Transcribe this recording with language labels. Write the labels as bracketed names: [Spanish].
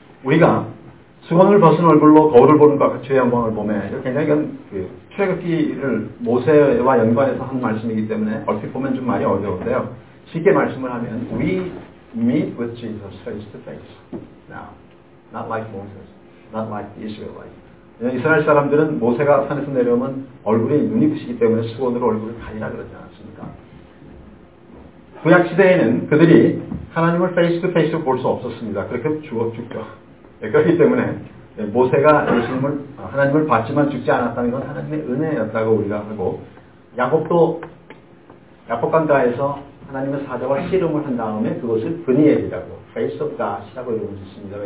[Korean] 우리가 수건을 벗은 얼굴로 거울을 보는 것과 주의 영광을 보매. 굉장히 그 출애굽기를 모세와 연관해서 한 말씀이기 때문에 얼핏 보면 좀 많이 어려운데요. 쉽게 말씀을 하면 [English] We meet with Jesus face to face. Now, not like Moses, not like the Israelites. [Korean] 이스라엘 사람들은 모세가 산에서 내려오면 얼굴이 눈이 부시기 때문에 수건으로 얼굴을 가리라 그러지 않았습니까? 구약 시대에는 그들이 하나님을 [English] face to face [Korean] 로 볼 수 없었습니다. 그렇게 죽죠. 그렇기 때문에 모세가 예수님을 하나님을 봤지만 죽지 않았다는 건 하나님의 은혜였다고 우리가 하고 야곱도 야곱강가에서 하나님의 사자와 씨름을 한 다음에 그것을 브니엘이라고 [English] Face of God [Korean] 이라고 이름을 짓습니다.